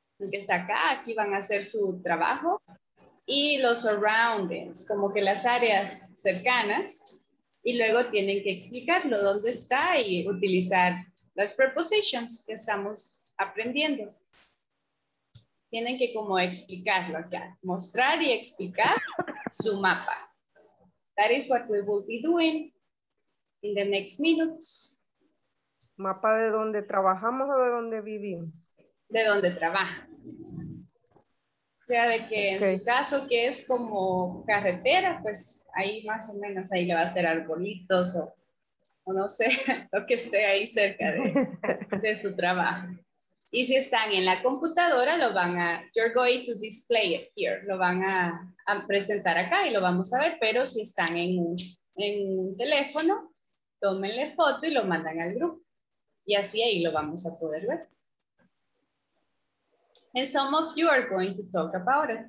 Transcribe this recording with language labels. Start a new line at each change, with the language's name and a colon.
Spanish: que está acá, aquí van a hacer su trabajo. Y los surroundings, como que las áreas cercanas. Y luego tienen que explicarlo, dónde está y utilizar las prepositions que estamos aprendiendo. Tienen que como explicarlo acá, mostrar y explicar su mapa.
English: That is what we will be doing in the next minutes.
Spanish: Mapa de donde trabajamos o de donde vivimos. De donde trabaja. O sea, de que okay. En su caso que es como carretera, pues ahí más o menos, ahí le va a hacer arbolitos o no sé, lo que esté ahí cerca de su trabajo. Y si están en la computadora, lo van a,
English: you're going to display it here,
Spanish: lo van a presentar acá y lo vamos a ver, pero si están en un teléfono, tómenle foto y lo mandan al grupo. Y así ahí lo vamos a poder ver.
English: And some of you are going to talk about it.